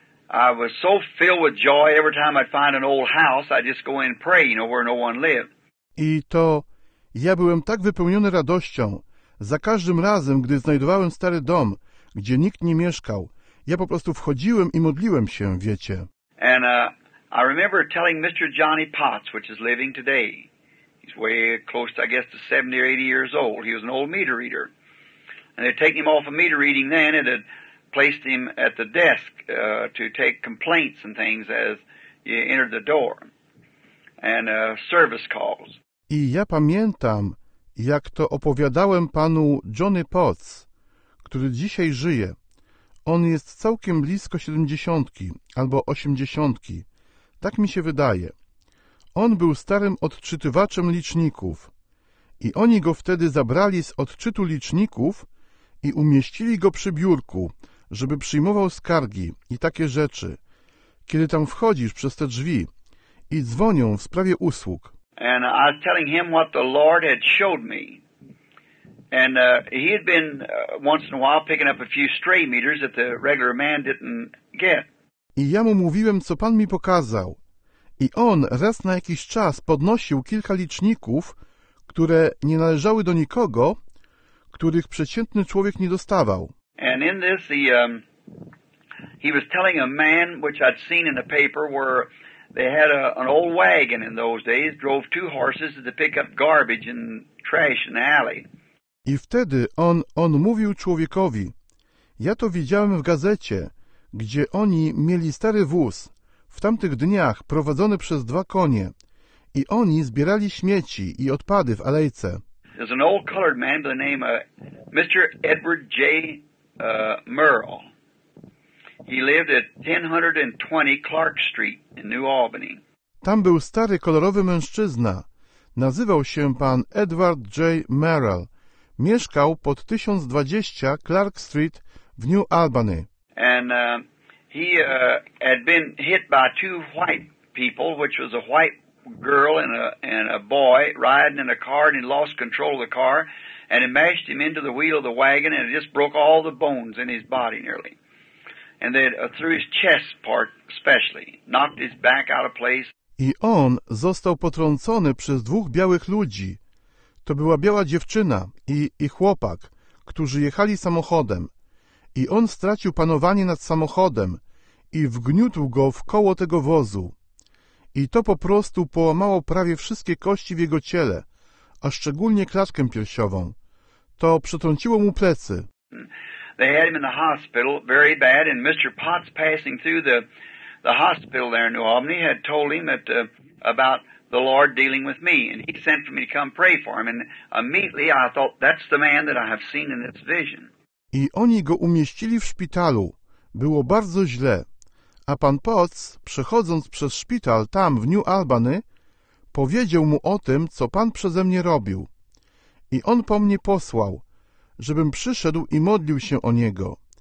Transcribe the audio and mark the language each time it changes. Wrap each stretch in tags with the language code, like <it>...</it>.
<en>I was so filled with joy every time I'd find an old house, I'd just go in and pray, you know, where no one lived.</en> <pl>I to ja byłem tak wypełniony radością, za każdym razem, gdy znajdowałem stary dom, gdzie nikt nie mieszkał, ja po prostu wchodziłem i modliłem się, wiecie.</pl> <en>And I remember telling Mr. Johnny Potts, which is living today, he's way close, I guess, to 70 or 80 years old, he was an old meter reader, and they'd taken him off of meter reading then, and it placed him at the desk to take complaints and things as you entered the door and service calls.</en> <pl>I ja pamiętam, jak to opowiadałem panu Johnny Potts, który dzisiaj żyje. On jest całkiem blisko 70 albo 80. Tak mi się wydaje. On był starym odczytywaczem liczników i oni go wtedy zabrali z odczytu liczników i umieścili go przy biurku, żeby przyjmował skargi i takie rzeczy, kiedy tam wchodzisz przez te drzwi i dzwonią w sprawie usług.</pl> <en>And I was telling him what the Lord had showed me. And he had been once in a while picking up a few stray meters that the regular man didn't get.</en> <pl>I ja mu mówiłem, co pan mi pokazał. I on raz na jakiś czas podnosił kilka liczników, które nie należały do nikogo, których przeciętny człowiek nie dostawał.</pl> <en>And in this, the, um, he was telling a man, which I'd seen in the paper, where they had an old wagon in those days, drove two horses to pick up garbage and trash in the alley.</en> <pl>I wtedy on mówił człowiekowi, ja to widziałem w gazecie, gdzie oni mieli stary wóz, w tamtych dniach prowadzony przez dwa konie, i oni zbierali śmieci i odpady w alejce.</pl> <en>There's an old colored man by the name of Mr. Edward J. Murrell. He lived at 1020 Clark Street in New Albany.</en> <pl>Tam był stary kolorowy mężczyzna. Nazywał się pan Edward J. Murrell. Mieszkał pod 1020 Clark Street w New Albany.</pl> <en>And he had been hit by two white people, which was a white girl and a boy riding in a car, and he lost control of the car, and it mashed him into the wheel of the wagon, and it just broke all the bones in his body nearly, and then through his chest part especially, knocked his back out of place.</en> <pl>I on został potrącony przez dwóch białych ludzi. To była biała dziewczyna i chłopak, którzy jechali samochodem. I on stracił panowanie nad samochodem i wgniótł go w koło tego wozu. I to po prostu połamało prawie wszystkie kości w jego ciele, a szczególnie klatkę piersiową. To przetrąciło mu plecy.</pl> <en>They had him in the hospital very bad, and Mr. Potts, passing through the hospital there in New Albany, had told him that about the Lord dealing with me, and he sent for me to come pray for him, and immediately I thought, that's the man that I have seen in this vision.</en> <pl>I oni go umieścili w szpitalu. Było bardzo źle. A pan Potts, przechodząc przez szpital tam w New Albany, powiedział mu o tym, co pan przeze mnie robił. I on po mnie posłał, żebym przyszedł i modlił się o niego.</pl>